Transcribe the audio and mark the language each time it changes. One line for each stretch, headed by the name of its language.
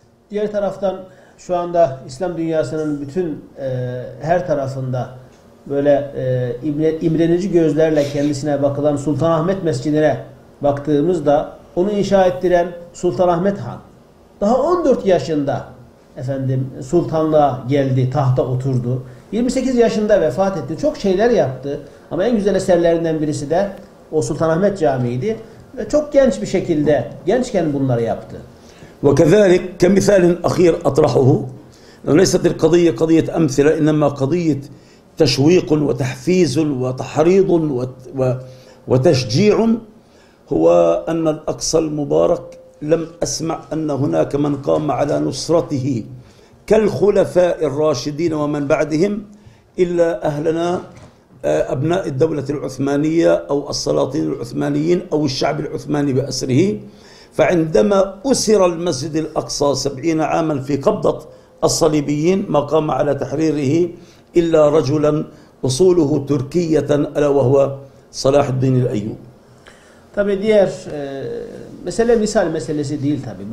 Turkish: Diğer taraftan şu anda İslam dünyasının bütün her tarafında böyle imrenici gözlerle kendisine bakılan Sultanahmet Mescidine baktığımızda onu inşa ettiren Sultanahmet Han daha 14 yaşında efendim sultanlığa geldi, tahta oturdu. 28 yaşında vefat etti. Çok şeyler yaptı ama en güzel eserlerinden birisi de o Sultanahmet Camii'ydi ve çok genç bir şekilde gençken bunları yaptı.
Arabic: وكذلك كمثال أخير أطرحه ليست القضية قضية أمثلة إنما قضية تشويق وتحفيز وتحريض وتشجيع هو أن الأقصى المبارك لم أسمع أن هناك من قام على نصرته كالخلفاء الراشدين ومن بعدهم إلا أهلنا أبناء الدولة العثمانية أو السلاطين العثمانيين أو الشعب العثماني بأسره. فعندما أسر المسجد الأقصى 70 عاما في قبضة الصليبيين ما قام على تحريره إلا رجلا أصوله تركية ألا وهو صلاح الدين الأيوبي.
Turkish: Tabi diğer mesele misal meselesi değil tabi.